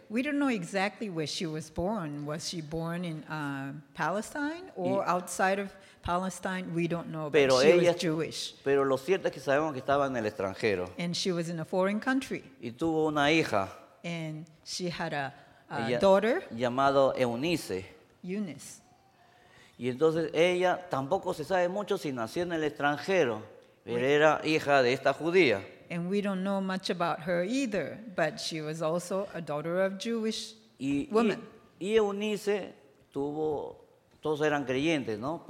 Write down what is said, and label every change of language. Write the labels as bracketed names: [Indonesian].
[English] We don't know exactly where she was born. Was she born in Palestine or outside of Palestine? We don't know, [Spanish] pero [English] but she [Spanish] ella, [English] was Jewish. [Spanish] Pero lo cierto es que sabemos que estaba en el extranjero. [English] And she was in a foreign country. [Spanish] Y tuvo una hija. [English] And she had a daughter. [Spanish] Llamado Eunice. [English] Eunice. [Spanish] Y entonces ella tampoco se sabe mucho si nació en el extranjero, pero era hija de esta judía. [English] And we don't know much about her either, but she was also a daughter of Jewish woman. [Spanish] Y Eunice tuvo, todos eran creyentes, ¿no?